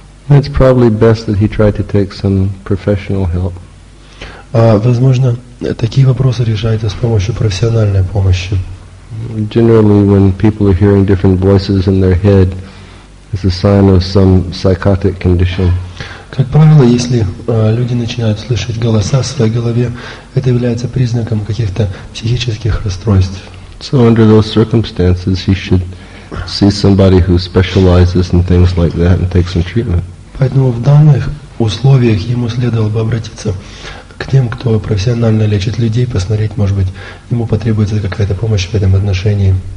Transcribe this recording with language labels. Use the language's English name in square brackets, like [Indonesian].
[English] It's probably best that he tried to take some professional help. [Russian] Возможно, такие вопросы решаются с помощью профессиональной помощи. [English] Generally, when people are hearing different voices in their head, it's a sign of some psychotic condition. [Russian] Как правило, если люди начинают слышать голоса в своей голове, это является признаком каких-то психических расстройств. [English] So under those circumstances, he should see somebody who specializes in things like that and take some treatment. [Russian] Поэтому в данных условиях ему следовало бы обратиться к тем, кто профессионально лечит людей, посмотреть, может быть, ему потребуется какая-то помощь в этом отношении.